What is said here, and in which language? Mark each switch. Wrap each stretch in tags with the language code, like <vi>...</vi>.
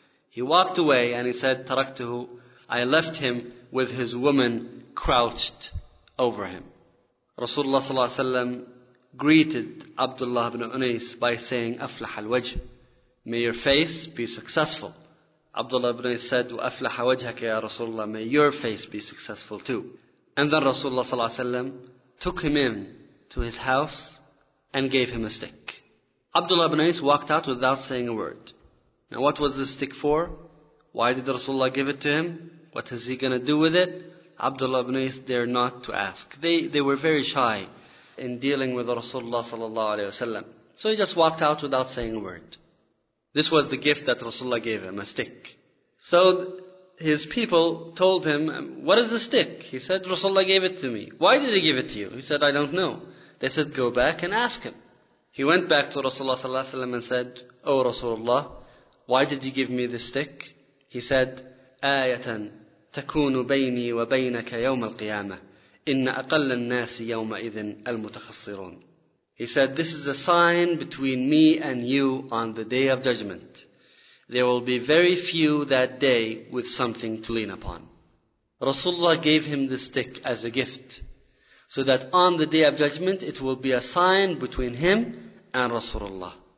<en>He walked away and he said, Taraktuhu, I left him with his woman crouched over him. Rasulullah sallallahu alayhi wa sallam greeted Abdullah ibn Unais by saying, Aflaha al-wajh. May your face be successful. Abdullah ibn Unais said,</en> <ar>وَأَفْلَحَ وَجْهَكَ يَا رَسُولَ اللَّهِ.</ar> <en>May your face be successful too. And then Rasulullah sallallahu alayhi wa sallam took him in to his house and gave him a stick. Abdullah ibn Unais walked out without saying a word. Now what was this stick for? Why did Rasulullah give it to him? What is he going to do with it? Abdullah ibn Unais dared not to ask. They were very shy in dealing with Rasulullah sallallahu alayhi wa sallam. So he just walked out without saying a word. This was the gift that Rasulullah gave him, a stick. So his people told him, what is the stick? He said, Rasulullah gave it to me. Why did he give it to you? He said, I don't know. They said, go back and ask him. He went back to Rasulullah sallallahu alaihi wasallam and said, O Rasulullah, why did you give me this stick?</en> <ar>He said, آيَةً تَكُونُ بَيْنِي وَبَيْنَكَ يَوْمَ الْقِيَامَةِ إِنَّ أَقَلَّ النَّاسِ يَوْمَئِذٍ الْمُتَخَصِّرُونَ.</ar> <en>He said, this is a sign between me and you on the Day of Judgment. There will be very few that day with something to lean upon. Rasulullah gave him the stick as a gift, so that on the Day of Judgment, it will be a sign between him and Rasulullah.</en>